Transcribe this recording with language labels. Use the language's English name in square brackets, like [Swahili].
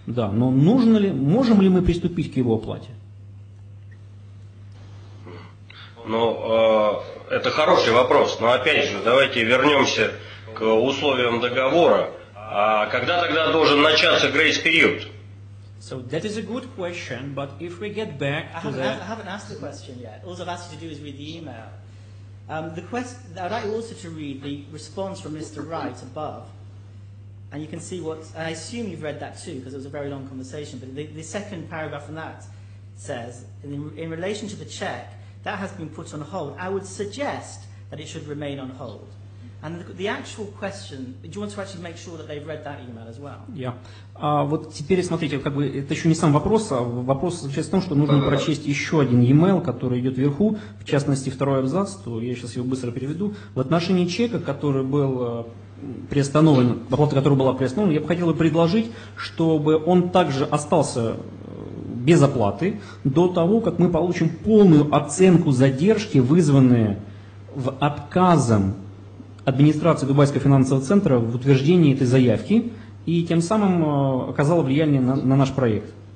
[Russian] Да, но нужно ли, можем ли мы приступить к его оплате? Ну, это хороший вопрос, но опять же, давайте вернемся к условиям договора. А когда тогда должен начаться grace период? [English] So that is a good question, but if we get back to I haven't asked the question yet. All I've asked you to do is read the email. I'd like you also to read the response from Mr. Wright above. And you can see what, and I assume you've read that too, because it was a very long conversation, but the second paragraph from that says, in relation to the check, that has been put on hold. I would suggest that it should remain on hold. And the actual question, do you want to actually make sure that they've read that email as well? Yeah. [Russian] Вот теперь смотрите, как бы это еще не сам вопрос, а вопрос сейчас в том, что нужно прочесть еще один email, который идет вверху, в частности второй абзац, то я сейчас его быстро переведу. В отношении чека, который был приостановлен, оплата которого была приостановлена, я бы хотел предложить, чтобы он также остался без оплаты до того, как мы получим полную оценку задержки, вызванные в отказом администрации Дубайского финансового центра в утверждении этой заявки, и тем самым оказало влияние на наш проект.